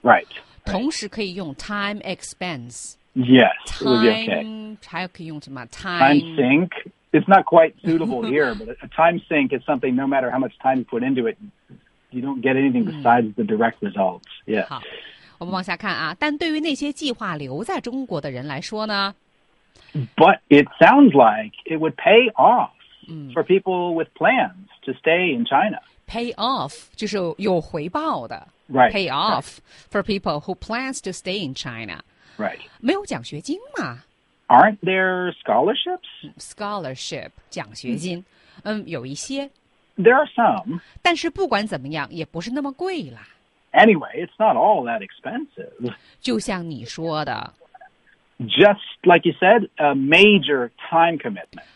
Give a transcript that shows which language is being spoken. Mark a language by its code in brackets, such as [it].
[en] Mm-hmm. Right. [zh] 同时可以用 [en] time expense. Yes. Time, it would be okay. [zh] 还可以用什么 [en] time sink. It's not quite suitable here, but a time sink is something no matter how much time you put into it, you don't get anything besides the direct results. Yeah. [zh] 好，我们往下看啊。但对于那些计划留在中国的人来说呢？ [en] But it sounds like it would pay off for people with plans to stay in China. Pay off, [zh] 就是有回报的。 [en] Right. Pay off for people who plans to stay in China. Right. [zh] 没有奖学金吗？ [en] Aren't there scholarships? [zh] Scholarship, 奖学金。有一些。 [en] There are some. [zh] 但是不管怎么样，也不是那么贵啦。 Anyway, it's not all that expensive. 就像你说的。 [en] Just like you said, a major time commitment.